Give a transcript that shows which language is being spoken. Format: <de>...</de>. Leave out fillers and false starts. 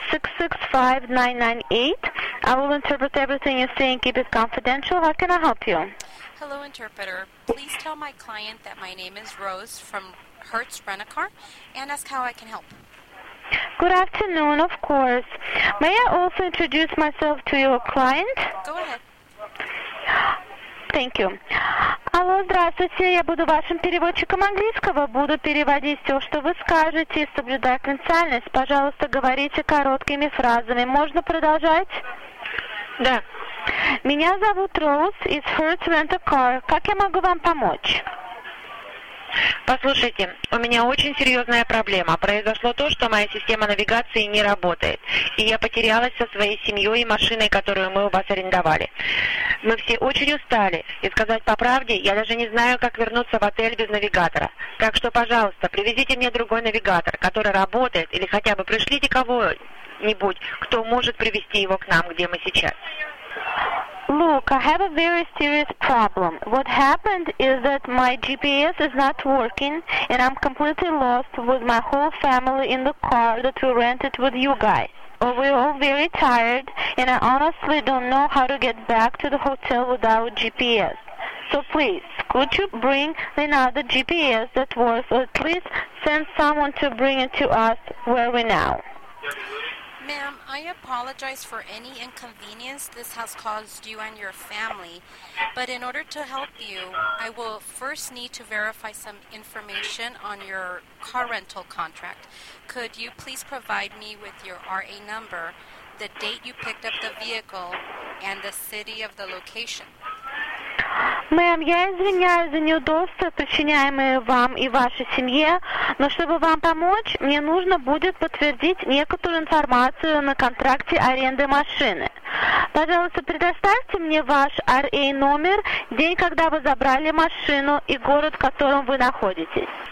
<en>665-998. I will interpret everything you say and keep it confidential. How can I help you? Hello, interpreter. Please tell my client that my name is Rose from Hertz Rent-A-Car and ask how I can help. Good afternoon, of course. May I also introduce myself to your client? Go ahead. Thank you.</en> <ru>Алло, здравствуйте, я буду вашим переводчиком английского. Буду переводить все, что вы скажете, соблюдая конфиденциальность. Пожалуйста, говорите короткими фразами. Можно продолжать? Да. Меня зовут Rose из Hertz Rent-A-Car. Как я могу вам помочь? Послушайте, у меня очень серьезная проблема. Произошло то, что моя система навигации не работает, и я потерялась со своей семьей и машиной, которую мы у вас арендовали. Мы все очень устали, и сказать по правде, я даже не знаю, как вернуться в отель без навигатора. Так что, пожалуйста, привезите мне другой навигатор, который работает, или хотя бы пришлите кого-нибудь, кто может привезти его к нам, где мы сейчас.</ru> <en>Look, I have a very serious problem. What happened is that my GPS is not working and I'm completely lost with my whole family in the car that we rented with you guys. Well, we're all very tired and I honestly don't know how to get back to the hotel without GPS. So please, could you bring another GPS that works or at least send someone to bring it to us where we're now? Ma'am, I apologize for any inconvenience this has caused you and your family, but in order to help you, I will first need to verify some information on your car rental contract. Could you please provide me with your RA number, the date you picked up the vehicle, and the city of the location?</en> <ru>Мэм, я извиняюсь за неудобства, причиняемые вам и вашей семье, но чтобы вам помочь, мне нужно будет подтвердить некоторую информацию на контракте аренды машины. Пожалуйста, предоставьте мне ваш RA номер, день, когда вы забрали машину и город, в котором вы находитесь.</ru>